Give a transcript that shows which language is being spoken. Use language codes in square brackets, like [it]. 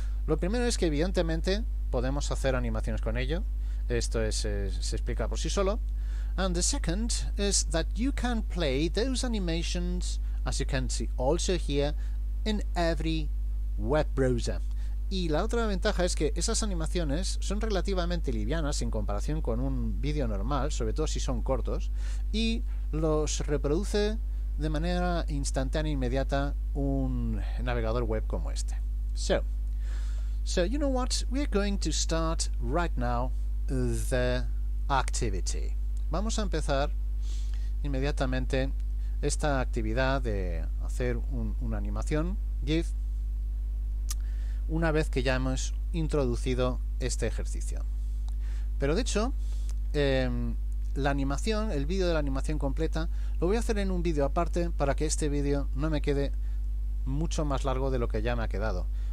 [es] Lo primero es que evidentemente podemos hacer animaciones con ello. Esto se explica por sí solo. [en] And the second is that you can play those animations, as you can see also here, in every web browser. [es] Y la otra ventaja es que esas animaciones son relativamente livianas en comparación con un vídeo normal, sobre todo si son cortos, y los reproduce de manera instantánea e inmediata un navegador web como este. [en] So, you know what? We are going to start right now the activity. [es] Vamos a empezar inmediatamente esta actividad de hacer una animación GIF una vez que ya hemos introducido este ejercicio. Pero de hecho, la animación, el vídeo de la animación completa, lo voy a hacer en un vídeo aparte para que este vídeo no me quede mucho más largo de lo que ya me ha quedado.